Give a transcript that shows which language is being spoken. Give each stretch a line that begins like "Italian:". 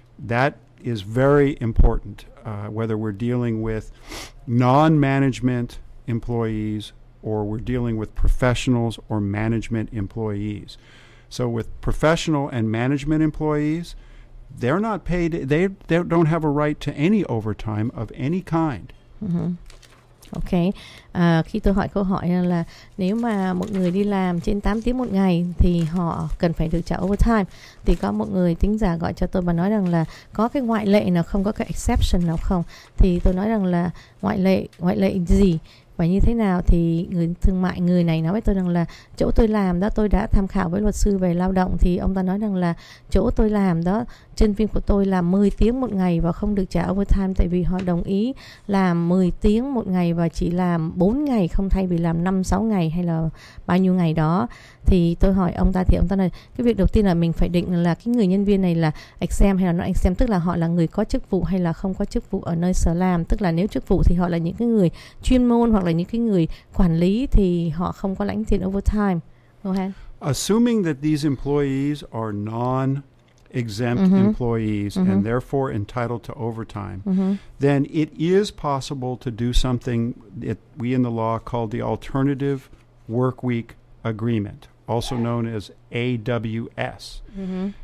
English: That is very important, whether we're dealing with non-management employees or we're dealing with professionals or management employees. So with professional and management employees, they're not paid, they don't have a right to any overtime of any kind. Mm-hmm. Okay.
Vietnamese: Khi tôi hỏi câu hỏi là nếu mà một người đi làm trên 8 tiếng một ngày thì họ cần phải được trả overtime, thì có một người tính giả gọi cho tôi và nói rằng là có cái ngoại lệ nào không, có cái exception nào không, thì tôi nói rằng là ngoại lệ gì và như thế nào, thì người thương mại người này nói với tôi rằng là chỗ tôi làm đó, tôi đã tham khảo với luật sư về lao động, thì ông ta nói rằng là chỗ tôi làm đó, chuyên viên của tôi làm 10 tiếng một ngày và không được trả overtime tại vì họ đồng ý làm 10 tiếng một ngày và chỉ làm 4 ngày không thay vì làm 5, 6 ngày hay là bao nhiêu ngày đó. Thì tôi hỏi ông ta thì ông ta nói cái việc đầu tiên là mình phải định là cái người nhân viên này là exempt hay là not exempt, tức là họ là người có chức vụ hay là không có chức vụ ở nơi sở làm, tức là nếu chức vụ thì họ là những cái người chuyên môn hoặc là những cái người quản lý thì họ không có lãnh tiền overtime.
English: Go ahead. Assuming that these employees are non-exempt mm-hmm. employees mm-hmm. and therefore entitled to overtime, mm-hmm. then it is possible to do something that we in the law call the alternative work week agreement, also known as AWS. Mm-hmm.